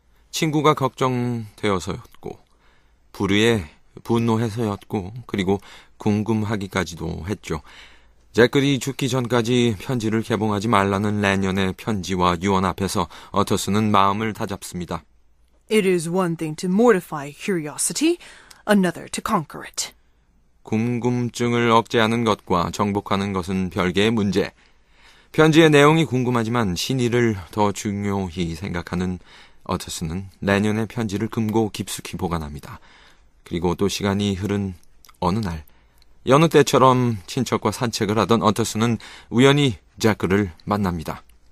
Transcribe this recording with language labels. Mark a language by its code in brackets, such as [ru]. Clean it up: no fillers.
[ko] 친구가 걱정되어서였고 불의에 분노해서였고 그리고 궁금하기까지도 했죠. 제콜이 죽기 전까지 편지를 개봉하지 말라는 랜연의 편지와 유언 앞에서 어터스는 마음을 다잡습니다. [en] It is one thing to mortify curiosity, another to conquer it. [ko] 궁금증을 억제하는 것과 정복하는 것은 별개의 문제. 편지의 내용이 궁금하지만 신의를 더 중요히 생각하는 어터슨은 랜연의 편지를 금고 깊숙이 보관합니다. 그리고 또 시간이 흐른 어느 날, 여느 때처럼 친척과 산책을 하던 어터슨은 우연히 제크를 만납니다.